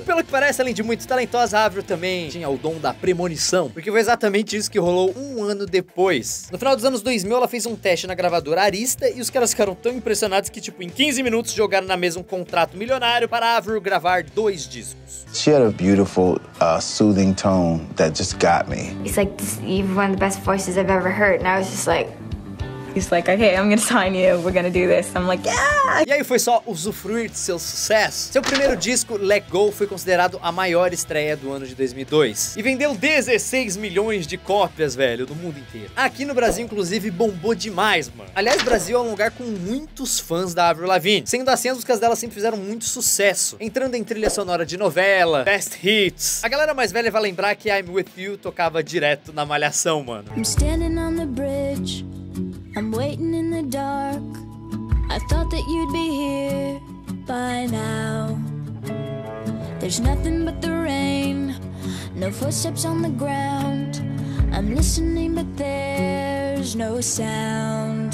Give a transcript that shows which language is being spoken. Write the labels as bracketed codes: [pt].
[pt] Pelo que parece, além de muito talentosa, a Avril também tinha o dom da premonição, porque foi exatamente isso que rolou um ano depois. No final dos anos 2000, ela fez um teste na gravadora Arista e os caras ficaram tão impressionados que, tipo, em 15 minutos jogaram na mesa um contrato milionário para a Avril gravar dois discos. [en] She had a beautiful, soothing tone that just got me. It's like this, even one of the best voices I've ever heard, and I was just like, he's like, okay, I'm gonna sign you, we're gonna do this. I'm like, yeah! [pt] E aí foi só usufruir de seu sucesso. Seu primeiro disco, Let Go, foi considerado a maior estreia do ano de 2002. E vendeu 16 milhões de cópias, velho, do mundo inteiro. Aqui no Brasil, inclusive, bombou demais, mano. Aliás, o Brasil é um lugar com muitos fãs da Avril Lavigne. Sendo assim, as músicas dela sempre fizeram muito sucesso. Entrando em trilha sonora de novela, best hits. A galera mais velha vai lembrar que I'm With You tocava direto na Malhação, mano. [en] I'm standing on the bridge. I'm waiting in the dark. I thought that you'd be here by now. There's nothing but the rain. No footsteps on the ground. I'm listening, but there's no sound.